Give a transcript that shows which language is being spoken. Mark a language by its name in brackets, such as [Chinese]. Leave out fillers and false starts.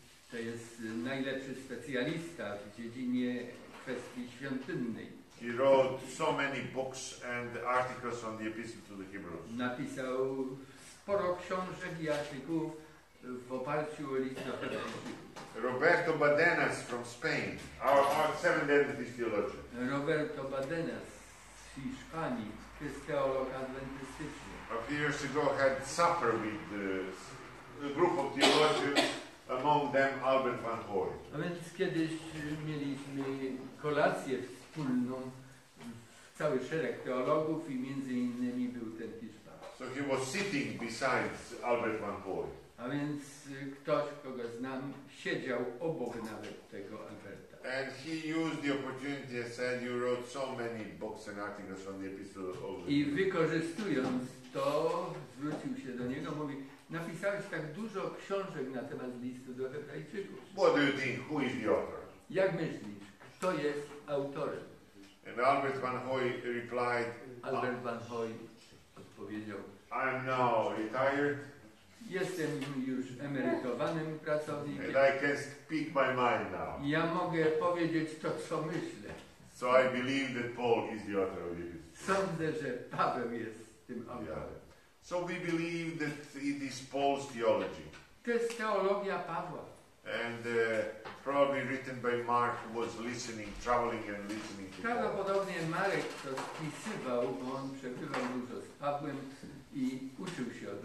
[Polish] To jest najlepszy specjalista w dziedzinie kwestii świątynnej. [English] He wrote so many books and articles on the Epistle to the Hebrews. [Polish] Napisał sporo książek i artykułów w oparciu o list do Hebrajczyków. [English] Roberto Badenas from Spain, our Seventh Adventist theologian. [Polish] Roberto Badenas z Hiszpanii, jest teolog adwentystyczny. [English] A few years ago had supper with a group of theologians, among them Albert Van Hooy. [Polish] A więc kiedyś mieliśmy kolację wspólną, cały szereg teologów i między innymi był ten Hiszpan. [English] So he was sitting beside Albert van Pooy. [Polish] A więc ktoś, kogo znam, siedział obok nawet tego Alberta. [English] And he used the opportunity and said, you wrote so many books and articles on the epistle of Albert. [Polish] I wykorzystując to, zwrócił się do niego, mówi, napisałeś tak dużo książek na temat listu do Hebrajczyków. [English] What do you think? Who is the author? [Polish] Jak myślisz, kto jest autorem? [English] And Albert van Hooy replied, [Polish] Albert van Hooy odpowiedział, [English] I am now retired. [Polish] Jestem już emerytowanym pracownikiem. [English] And I can speak my mind now. [Polish] Ja mogę powiedzieć to, co myślę. [English] So I believe that Paul is the author of this. [Polish] Sądzę, że Paweł jest tym autorem. [English] Yeah. So we believe that it is Paul's theology. [Polish] To jest teologia Pawła. [English] And probably written by Mark, who was listening, traveling and listening to [Polish] prawdopodobnie Paul. Marek to spisywał, bo on przebywał dużo z Pawłem i uczył się od